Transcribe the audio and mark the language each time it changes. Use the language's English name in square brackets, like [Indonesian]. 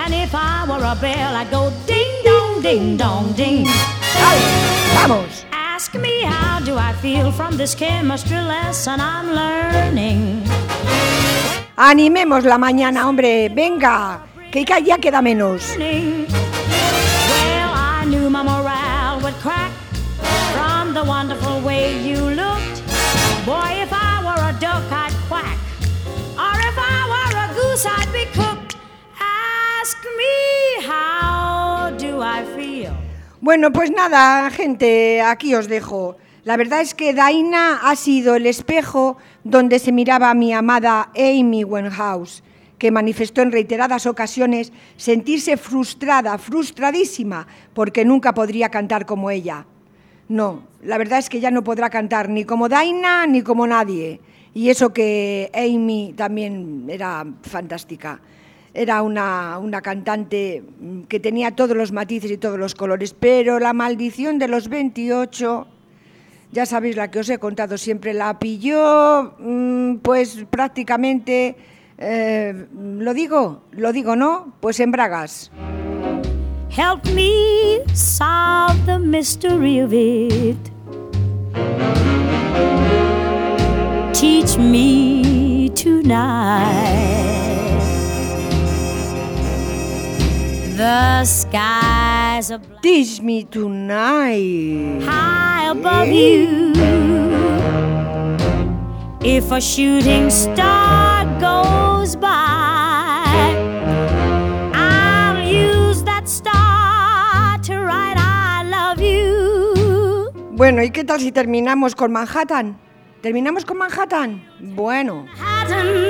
[English] If I were a bell, I'd go ding dong, ding dong, ding. [Spanish] Vamos. [English] Ask me how do I feel from this chemistry lesson I'm learning. [Spanish] Animemos la mañana, hombre. Venga, que ya queda menos. [English] Well, I knew my morale would crack from the wonderful way you looked. Boy, if I were a duck, I'd quack. Or if I were a goose, I'd be cooked. Ask me how do I feel. [Spanish] Bueno, pues nada, gente, aquí os dejo. La verdad es que Daina ha sido el espejo donde se miraba mi amada Amy Winehouse, que manifestó en reiteradas ocasiones sentirse frustrada, frustradísima, porque nunca podría cantar como ella. No, la verdad es que ya no podrá cantar ni como Daina ni como nadie. Y eso que Amy también era fantástica. Era una cantante que tenía todos los matices y todos los colores, pero la maldición de los 28, ya sabéis la que os he contado siempre, la pilló, pues prácticamente, lo digo, ¿no? Pues en bragas. [English] Help me solve the mystery of it. Teach me tonight. The skies are black. Teach me tonight. High above you. If a shooting star goes by, I'll use that star to write I love you. [Spanish] Bueno, ¿y qué tal si terminamos con Manhattan? ¿Terminamos con Manhattan? Bueno. Manhattan.